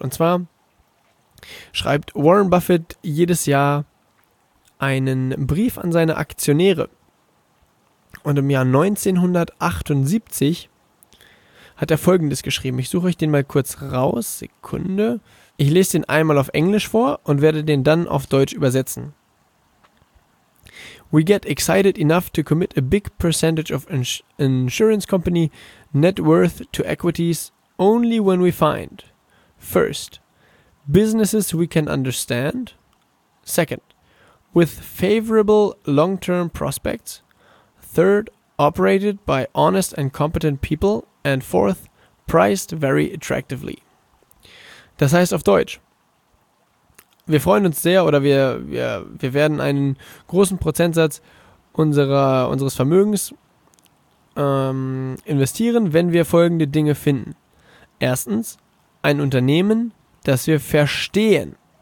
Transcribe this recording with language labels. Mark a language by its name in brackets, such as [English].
[German] Und zwar schreibt Warren Buffett jedes Jahr einen Brief an seine Aktionäre. Und im Jahr 1978 hat er Folgendes geschrieben. Ich suche euch den mal kurz raus. Sekunde. Ich lese den einmal auf Englisch vor und werde den dann auf Deutsch übersetzen. [English] We get excited enough to commit a big percentage of insurance company net worth to equities only when we find first, businesses we can understand, second, with favorable long-term prospects, third, operated by honest and competent people, and fourth, priced very attractively. [German] Das heißt auf Deutsch, wir freuen uns sehr oder wir werden einen großen Prozentsatz unseres Vermögens investieren, wenn wir folgende Dinge finden. Erstens, ein Unternehmen, das wir verstehen.